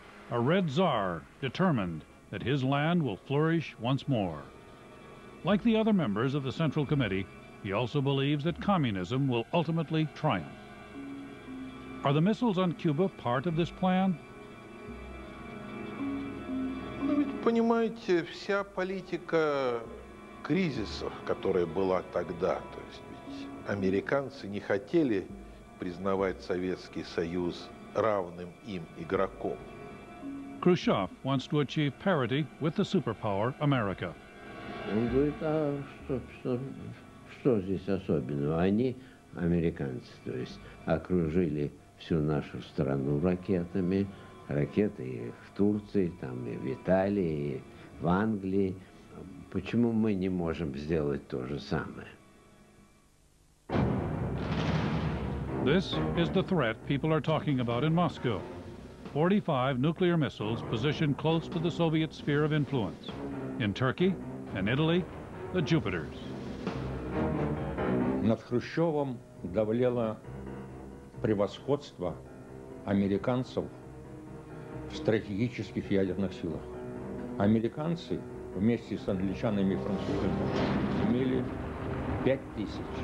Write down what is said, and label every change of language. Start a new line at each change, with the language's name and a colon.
English: A red czar determined that his land will flourish once more. Like the other members of the Central Committee, he also believes that communism will ultimately triumph. Are the missiles on Cuba part of this plan?
Russian: Понимаете, вся политика кризисов, которая была тогда, то есть ведь американцы не хотели признавать Советский Союз равным им игроком.
English: Khrushchev wants to achieve parity with the superpower America.
Russian: Он говорит, а что здесь особенного? Они, американцы, то есть окружили всю нашу страну ракетами. Ракеты и в Турции, там и в Италии, и в Англии. Почему мы не можем сделать то же самое?
English: This is the threat people are talking about in Moscow. 45 nuclear missiles positioned close to the Soviet sphere of influence. In Turkey and Italy, the Jupiters.
Russian: Над Хрущевым давлело превосходство американцев в стратегических ядерных силах. Американцы вместе с англичанами и французами имели 5000.